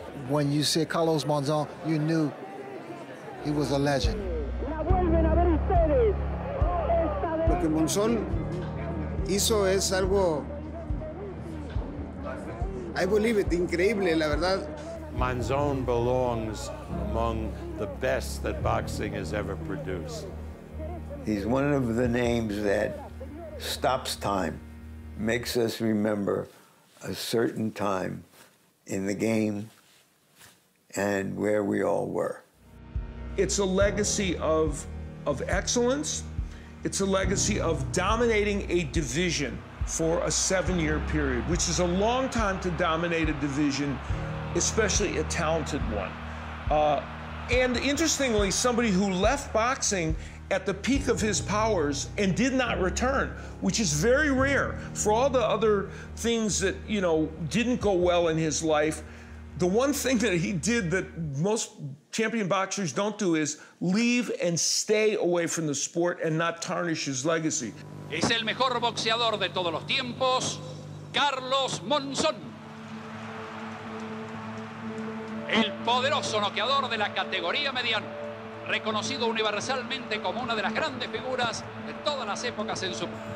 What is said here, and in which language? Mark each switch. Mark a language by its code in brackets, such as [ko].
[en] When you say Carlos Monzón, you knew he was a legend. [es] Lo que Monzón hizo es algo, [en] I believe it, [es] increíble, la verdad. [en] Monzón belongs among the best that boxing has ever produced. He's one of the names that stops time, makes us remember a certain time in the game and where we all were. It's a legacy of excellence. It's a legacy of dominating a division for a 7-year period, which is a long time to dominate a division, especially a talented one. And interestingly, somebody who left boxing at the peak of his powers and did not return, which is very rare. For all the other things that, you know, didn't go well in his life, the one thing that he did that most champion boxers don't do is leave and stay away from the sport and not tarnish his legacy. [es] Es el mejor boxeador de todos los tiempos, Carlos Monzón. El poderoso noqueador de la categoría mediana, reconocido universalmente como una de las grandes figuras de todas las épocas en su...